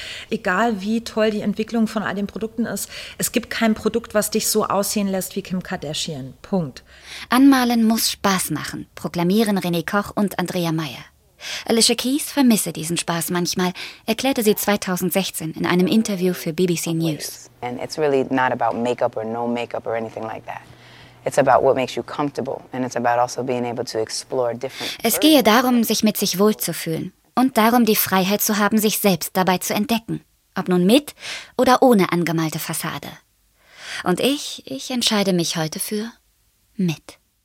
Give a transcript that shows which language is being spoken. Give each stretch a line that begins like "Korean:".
German: Egal wie toll die Entwicklung von all den Produkten ist, es gibt kein Produkt, was dich so aussehen lässt wie Kim Kardashian. Punkt. Anmalen muss Spaß machen, proklamieren René Koch und Andrea Meyer. Alicia Keys vermisse diesen Spaß manchmal, erklärte sie 2016 in einem Interview für BBC News.
English: And it's really not about makeup or no makeup or anything like that. It's about what makes you comfortable and it's about also being able to explore different.
German: Es gehe darum, sich mit sich wohlzufühlen und darum, die Freiheit zu haben, sich selbst dabei zu entdecken, ob nun mit oder ohne angemalte Fassade. Und ich entscheide mich heute für mit.